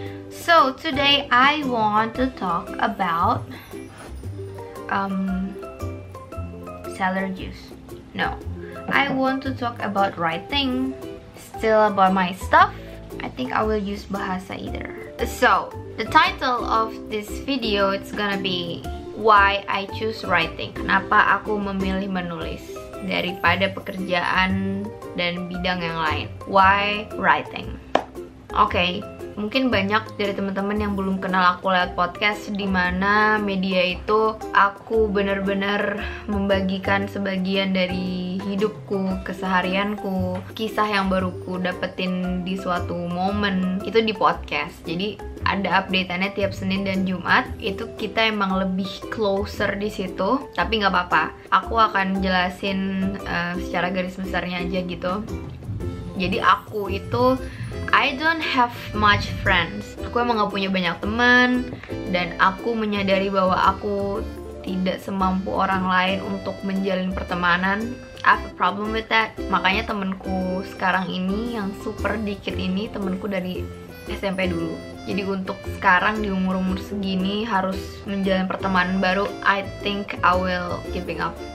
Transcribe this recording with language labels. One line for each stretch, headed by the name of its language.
English: So today I want to talk about celery juice. No, I want to talk about writing. Still about my stuff. I think I will use bahasa either. So the title of this video, it's gonna be why I choose writing.
Indonesian: Kenapa aku memilih menulis daripada pekerjaan dan bidang yang lain?
English: Why writing?
Indonesian: Okay, mungkin banyak dari teman-teman yang belum kenal aku lewat podcast, di mana media itu aku benar-benar membagikan sebagian dari hidupku, keseharianku, kisah yang baru ku dapetin di suatu momen itu di podcast. Jadi ada update-annya tiap Senin dan Jumat. Itu kita emang lebih closer di situ, tapi nggak apa-apa. Aku akan jelasin secara garis besarnya aja gitu. Jadi aku itu
English: I don't have much friends.
Indonesian: Aku emang gak punya banyak teman, dan aku menyadari bahwa aku tidak semampu orang lain untuk menjalin pertemanan.
English: I have a problem with that.
Indonesian: Makanya temanku sekarang ini yang super dikit ini temanku dari SMP dulu. Jadi untuk sekarang di umur-umur segini harus menjalin pertemanan baru,
English: I think I will giving up.